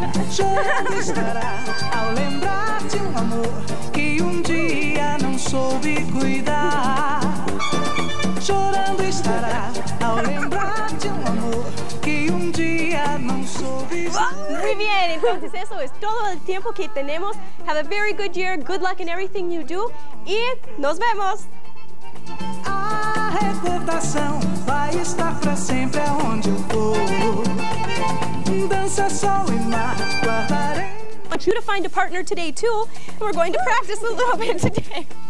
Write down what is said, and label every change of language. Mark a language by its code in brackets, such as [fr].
[pt] Chorando estará ao lembrar de um amor que um dia não soube cuidar. Chorando estará ao lembrar de um amor que um dia não soube cuidar. [es] Muy bien, entonces eso es todo el tiempo que tenemos. [en] Have a very good year. Good luck in everything you do. [es] Y nos vemos. [pt] A recordação vai estar pra sempre aonde eu vou. Dança sol e mar, guardarei. [en] I want you to find a partner today, too. We're going to practice a little bit today.